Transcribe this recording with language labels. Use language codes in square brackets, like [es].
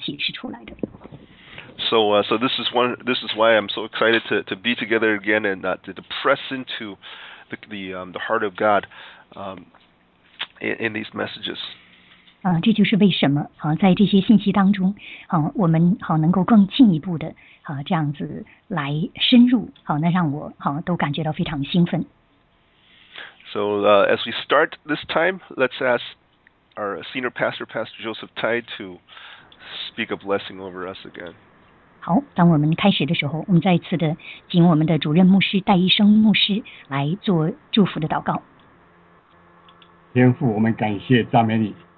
[zh] 那有一些非常深的这样子的能够在我们里边搅动我们的一些信息，是当我们一起祷告的时候，它启示出来的。So [en] this is why I'm so excited to be together again and to press into the heart of God in these messages. [zh] 这就是为什么在这些信息当中，我们能够更进一步的这样子来深入，那让我都感觉到非常兴奋。So [en] as we start this time, let's ask our senior pastor, Pastor Joseph Tai, to speak a blessing over us again. [zh] 好，当我们开始的时候，我们再一次的请我们的主任牧师戴一生牧师来做祝福的祷告。天父，我们感谢赞美你。